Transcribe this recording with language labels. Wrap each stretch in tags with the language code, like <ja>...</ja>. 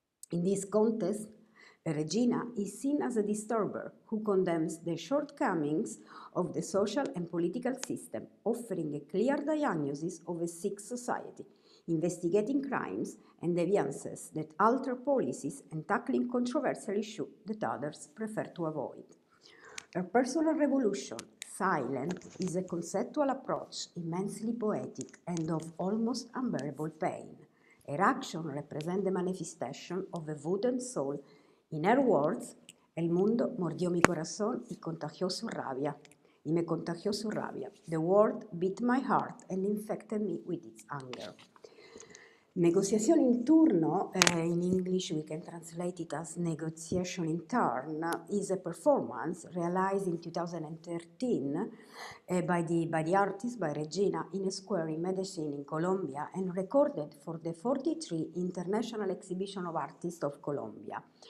<en>In this context, Regina is seen as a disturber who condemns the shortcomings of the social and political system, offering a clear diagnosis of a sick society, investigating crimes and deviances that alter policies and tackling controversial issues that others prefer to avoid. A personal revolution, silent, is a conceptual approach immensely poetic and of almost unbearable pain. Her action represents the manifestation of a wooden soul. In her words,</en> <es>el mundo mordió mi corazón y contagió su rabia. Y me contagió su rabia.</es> <en>The world beat my heart and infected me with its anger. Negotiation in turno, in English we can translate it as negotiation in turn, is a performance realized in 2013 by the artist, by Regina, in a square in Medellin in Colombia and recorded for the 43 International Exhibition of Artists of Colombia.</en>